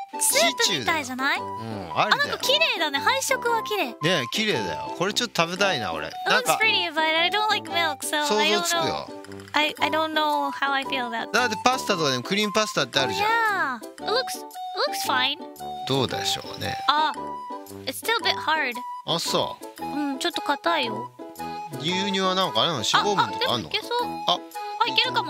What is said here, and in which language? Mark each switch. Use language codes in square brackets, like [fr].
[ja] シチューみたいじゃない？うん、あれだよ。あ、なんか綺麗だね。配色は綺麗。ね、綺麗だよ。これちょっと食べたいな、俺。 [en] It looks pretty, but I don't like milk, so I don't know. I don't know how I feel about. [ja] だってパスタとかでもクリームパスタってあるじゃん。 [en] Yeah. It looks fine. [ja] どうでしょうね。あ、 [en] It's still a bit hard. [ja] あ、そう。うん、ちょっと硬いよ。牛乳はなんかあれの脂肪分とかあるの？あ、でもいけそう。あ、いけるかも。